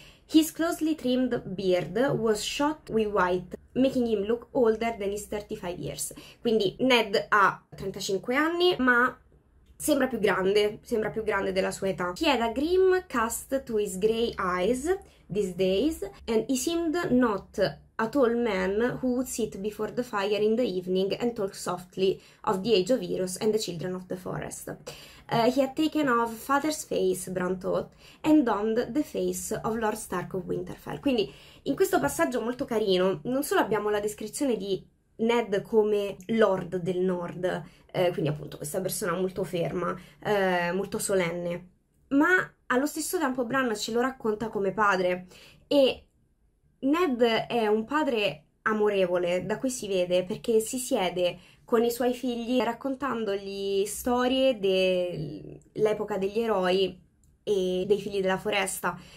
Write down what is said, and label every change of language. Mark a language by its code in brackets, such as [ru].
[en] His closely trimmed beard was shot with white, making him look older than his 35 years. [it] Quindi Ned ha 35 anni, ma sembra più grande della sua età. [en] He had a grim cast to his grey eyes these days, and he seemed not a tall man who would sit before the fire in the evening and talk softly of the age of heroes and the children of the forest. He had taken off father's face, Bran thought, and donned the face of Lord Stark of Winterfell. [it] Quindi, in questo passaggio molto carino, non solo abbiamo la descrizione di Ned come Lord del Nord, quindi appunto questa persona molto ferma, molto solenne, ma allo stesso tempo Bran ce lo racconta come padre. E Ned è un padre amorevole, da cui si vede, perché si siede con i suoi figli raccontandogli storie dell'epoca degli eroi e dei figli della foresta.